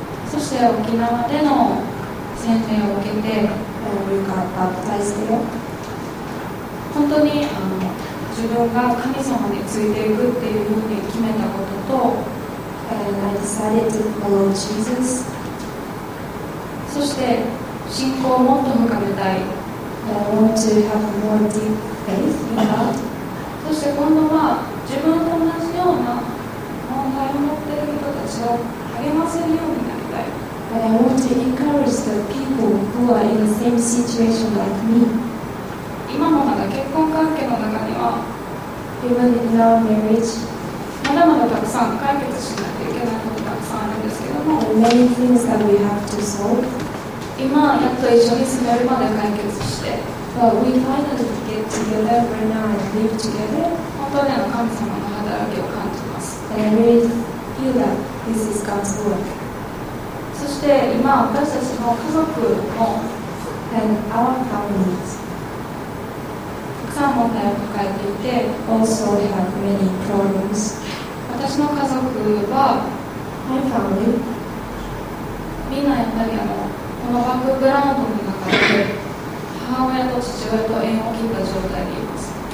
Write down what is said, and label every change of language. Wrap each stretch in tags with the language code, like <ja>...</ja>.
<ja>そして沖縄での洗礼を受けて、</ja> <en>we got baptized there.</en> <ja>本当に自分が神様についていくっていうふうに決めたことと、</ja> <en>I decided to follow Jesus.</en> <ja>そして信仰をもっと深めたい。</ja> <en>I want to have more deep faith in God.</en> <ja>そして今度は自分と同じような問題を持っている人たちを励ませるようになりたい。</ja> <en>But I want to encourage the people who are in the same situation like me.</en> <ja>今もまだ結婚関係の中には</ja> <en>Even in our marriage</en> <ja>まだまだたくさん解決しないといけないことがたくさんあるんですけども、</ja> <en>There are many things that we have to solve.</en> <ja>今やっと一緒に住めるまで解決して、</ja> <en>But we finally get together right now and live together.</en> <ja>本当に神様の働きを感じ、</ja> <en>And I really feel that this is God's work.</en> <ja>そして今私たちの家族も</ja> <en>And our families</en> <ja>たくさん問題を抱えていて</ja> <en>Also have many problems.</en> <ja>私の家族は</ja> <en>My family</en> <ja>みんなやっぱりこのバックグラウンドの中で母親と父親と縁を切った状態でいます。</ja>